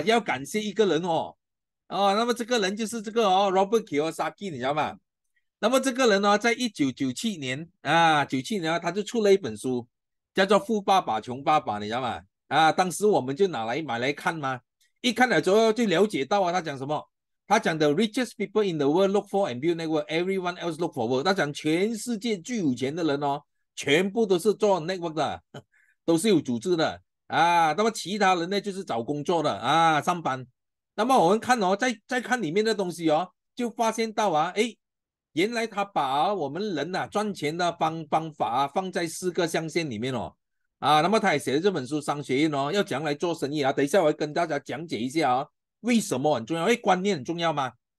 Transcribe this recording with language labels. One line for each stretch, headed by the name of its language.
Chinese: 要感谢一个人哦。哦，那么这个人就是这个哦 ，Robert Kiyosaki， 你知道吗？那么这个人呢、哦，在1997年啊，97年他就出了一本书，叫做《富爸爸穷爸爸》，你知道吗？啊，当时我们就拿来买来看嘛，一看了之后就了解到啊，他讲什么？他讲
English: The richest people in the world look for and build network, everyone else look for work。
Chinese: 他讲全世界最有钱的人哦，全部都是做 network 的，都是有组织的啊。那么其他人呢，就是找工作的啊，上班。那么我们看哦，再看里面的东西哦，就发现到啊，哎，原来他把我们人啊赚钱的方法啊放在4个象限里面哦，啊，那么他也写了这本书《商学院》哦，要讲来做生意啊，等一下我会跟大家讲解一下啊、哦，为什么很重要？因为观念很重要吗？